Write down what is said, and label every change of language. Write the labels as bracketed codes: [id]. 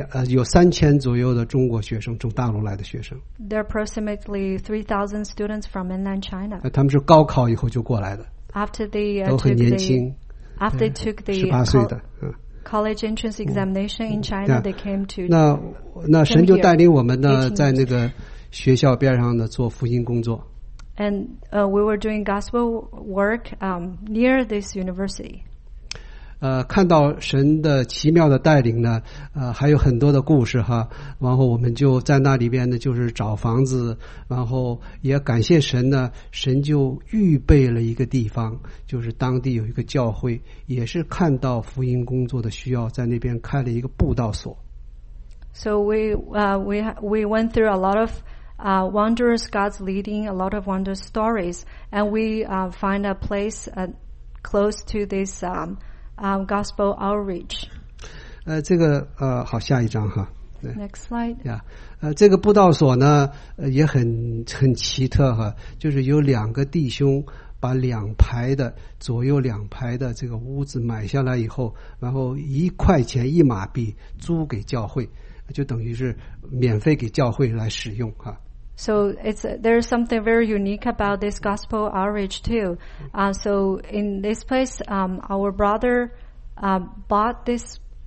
[zh] 有3000左右的中国学生，从大陆来的学生。 [en] There are approximately 3000 students from mainland China. [zh] 他们是高考以后就过来的。 [en] After they [zh] 都很年轻。 [en] After they took the [zh] 18岁的 [en] college entrance examination in China, they came to [zh] 那神就带领我们呢，在那个学校边上的做福音工作。 [en] And we were doing gospel work near this university. [zh] 看到神的奇妙的带领呢，还有很多的故事哈。然后我们就在那里边呢，就是找房子，然后也感谢神呢，神就预备了一个地方，就是当地有一个教会，也是看到福音工作的需要，在那边开了一个布道所。 [en] So we went through a lot of wondrous God's leading, a lot of wondrous stories, and we find a place close to this gospel outreach. [zh] 这个好，下一张哈。 [en] Next slide. [zh] Yeah, 这个布道所呢也很奇特哈，就是有两个弟兄把两排的左右两排的这个屋子买下来以后，然后1块钱一马币租给教会，就等于是免费给教会来使用哈。 [en] So it's there's something very unique about this gospel outreach too. So in this place, our brother bought this.